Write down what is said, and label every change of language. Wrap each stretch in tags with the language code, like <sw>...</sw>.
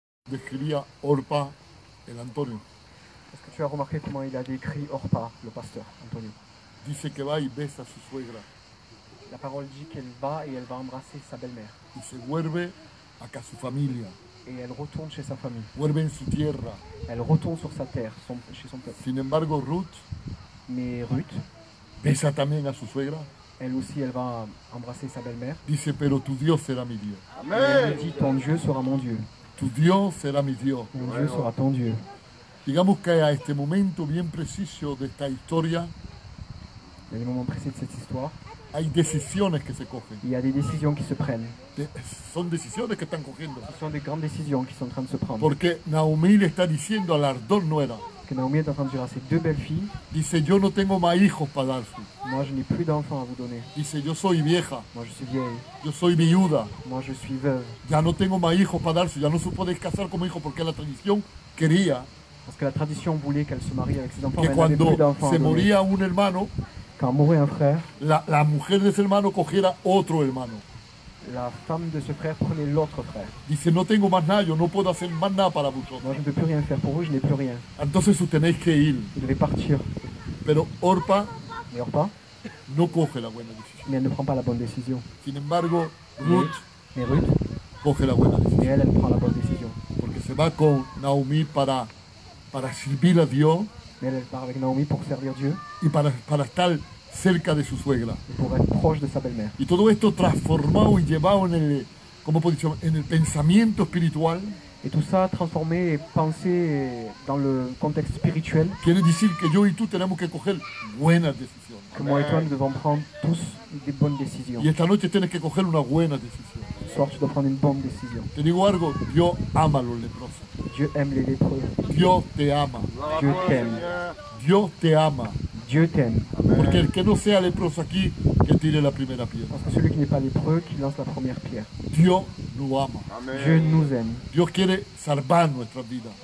<es>Describía Orpa el Antonio.</es> <fr>Est-ce que tu as remarqué comment il a décrit Orpa, le pasteur, Antonio?</fr> <es>Dice que va y besa a su suegra.</es> <fr>La parole dit qu'elle va et elle va embrasser sa belle-mère.</fr> <es>Y se vuelve a su familia.</es> <fr>Et elle retourne chez sa famille.</fr> <es>Vuelve en su tierra.</es> <fr>Elle retourne sur sa terre, chez son peuple.</fr> <es>Sin embargo, Ruth.</es> <fr>Mais Ruth.</fr> <es>Besa también a su suegra.</es> <fr>Elle aussi, elle va embrasser sa belle-mère.</fr> <es>Dice, pero tu Dios será mi Dios. Amen.</es> <fr>Elle dit, ton Dieu sera mon Dieu.</fr> <es>Tu Dios será mi Dios.</es> <fr>Mon bueno. Dieu sera ton Dieu.</fr> <es>Digamos que a este momento bien preciso de esta historia.</es> <fr>Il y a des moments précis de cette histoire.</fr> <es>Hay decisiones que se cogen.</es> <fr>Il y a des décisions qui se prennent.</fr> <es>Son decisiones que están cogiendo.</es> <fr>Ce sont des grandes décisions qui sont en train de se prendre.</fr> <es>Porque Naomi le está diciendo a las dos nueras.</es> <fr>Que Naomi est en train de dire à ses deux belles filles.</fr> <es>Dice, yo no tengo más hijos para dar.</es> <fr>Moi, je n'ai plus d'enfants à vous donner.</fr> <es>Dice, yo soy vieja.</es> <fr>Moi, je suis vieille.</fr> <es>Yo soy viuda.</es> <fr>Moi, je suis veuve.</fr> <es>Ya no tengo más hijos para dar. Ya no se puede casar como hijo porque la tradición quería.</es> <fr>Parce que la tradition voulait qu'elle se marie avec ses enfants.</fr> <es>Que cuando se moría un hermano.</es> <fr>Quand mourait un frère,</fr> <es>la mujer de ese hermano cogiera otro hermano.</es> <fr>La femme de ce frère prenait l'autre frère.</fr> <es>Dice, no tengo más nada, yo no puedo hacer más nada para vosotros.</es> <fr>Moi, je ne peux plus rien faire pour vous, je n'ai plus rien.</fr> <es>Entonces, vous tenéis que ir.</es> <fr>Vous devez partir.</fr> <es>Pero Orpa,</es> <fr>mais Orpa</fr> <es>no coge la buena decisión.</es> <fr>Mais elle ne prend pas la bonne décision.</fr> <es>Sin embargo, Ruth,</es> <fr>mais Ruth</fr> <es>coge la buena decisión.</es> <fr>Mais elle prend la bonne décision.</fr> <es>Porque se va con Naomi para servir a Dios.</es> <fr>Mais elle part avec Naomi pour servir Dieu.</fr> <es>Y para estar cerca de su suegra.</es> <fr>Y pour être proche de sa belle-mère.</fr> <es>Y todo esto transformado y llevado en el, como puedo decir, en el pensamiento espiritual.</es> <fr>Et tout ça transformé et pensé dans le contexte spirituel.</fr> <es>Quiere decir que yo y tú tenemos que coger buenas decisiones.</es> <fr>Que moi et toi, nous devons prendre tous des bonnes décisions.</fr> <es>Y esta noche tienes que coger una buena decisión.</es> <fr>Ce soir, tu dois prendre une bonne décision.</fr> <es>Te digo algo, Dios ama a los leprosos.</es> <fr>Dieu aime les lépreux.</fr> <es>Dios te ama.</es> <fr>Dieu t'aime.</fr> <es>Dios te ama.</es> <fr>Dieu t'aime.</fr> <es>Porque el que no sea leproso aquí, que tire la primera piedra.</es> <fr>Parce que celui qui n'est pas lépreux, qui lance la première pierre.</fr> <es>Dios nous ama. Amen.</es> <fr>Dieu nous aime.</fr> <es>Dios quiere salvar nuestras vidas.</es>